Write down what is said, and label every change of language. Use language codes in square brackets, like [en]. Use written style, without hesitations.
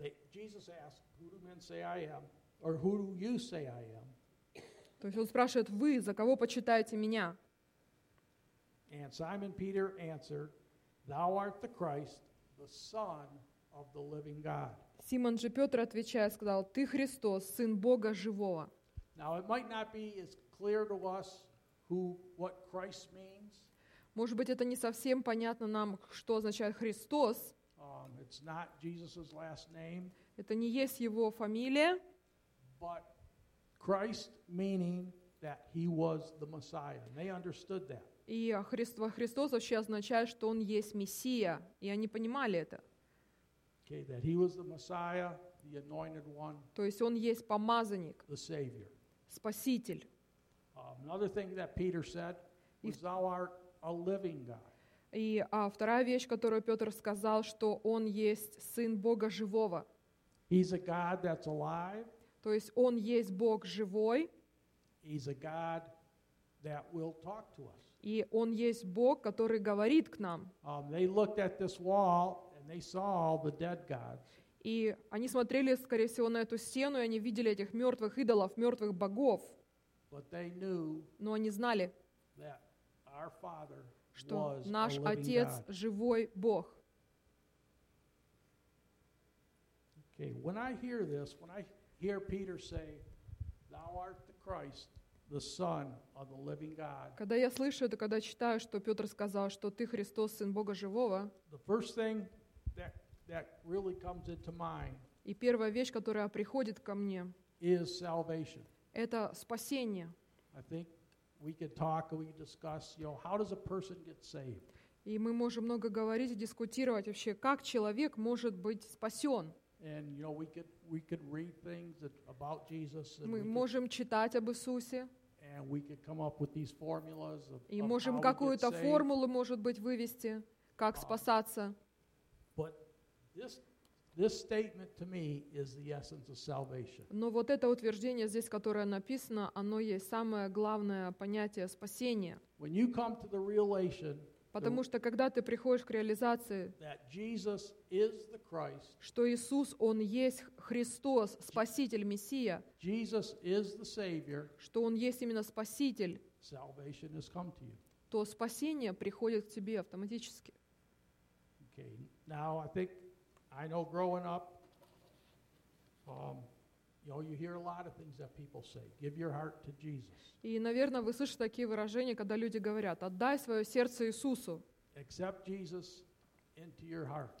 [en] Jesus asked, who do men say I am? Or who do you say I am? [ru] То есть он спрашивает, вы за кого почитаете меня? [en] And Simon Peter answered, thou art the Christ, the Son of the living God. [ru] Симон же Петр, отвечая, сказал, «Ты Христос, Сын Бога Живого». [en] Now, it might not be as clear to us who, what Christ means. [ru] Может быть, это не совсем понятно нам, что означает Христос. [en] It's not Jesus's last name. [ru] Это не есть его фамилия. [en] But Christ meaning that he was the Messiah. And they understood that. [ru] И Христос вообще означает, что он есть Мессия. И они понимали это. [en] Okay, that he was the Messiah, the anointed one. [ru] То есть он есть помазанник. [en] The Savior. [ru] Спаситель. [en] Another thing that Peter said was, "Thou art a living God." [ru] И вторая вещь, которую Петр сказал, что он есть сын Бога живого. [en] He's a God that's alive. [ru] То есть он есть Бог живой. [en] He's a God that will talk to us. [ru] И он есть Бог, который говорит к нам. [en] They looked at this wall. They saw all the dead gods. [ru] И они смотрели, скорее всего, на эту стену, и они видели этих мертвых идолов, мертвых богов. [en] But they knew. [ru] Но они знали, [en] that our Father was a living God. [ru] Что наш отец живой Бог. [en] Okay, when I hear this, when I hear Peter say, "Thou art the Christ, the Son of the living God." [ru] Когда я слышу это, когда читаю, что Петр сказал, что ты Христос, сын Бога живого. [en] The first thing that really comes into mind. [ru] И первая вещь, которая приходит ко мне, [en] is salvation. [ru] Это спасение. [en] I think we could talk, we could discuss, how does a person get saved? [ru] И мы можем много говорить и дискутировать вообще, как человек может быть спасен. [en] And we could read things about Jesus. [ru] Мы можем читать об Иисусе. [en] And we could come up with these formulas of. [ru] И можем какую-то формулу, может быть, вывести, как спасаться. [en] But This This statement to me is the essence of salvation. [ru] Но вот это утверждение здесь, которое написано, оно есть самое главное понятие спасения. [en] When you come to the realization, [ru] потому что когда ты приходишь к реализации, [en] that Jesus is the Christ, [ru] что Иисус, Он есть Христос, Спаситель, Мессия, [en] Jesus is the Savior, [ru] что Он есть именно Спаситель, [en] salvation has come to you. [ru] То спасение приходит к тебе автоматически. [en] Okay. Now I think I know growing up, you hear a lot of things that people say. Give your heart to Jesus. [ru] И, наверное, вы слышите такие выражения, когда люди говорят: «Отдай свое сердце Иисусу». [en] Accept Jesus into your heart.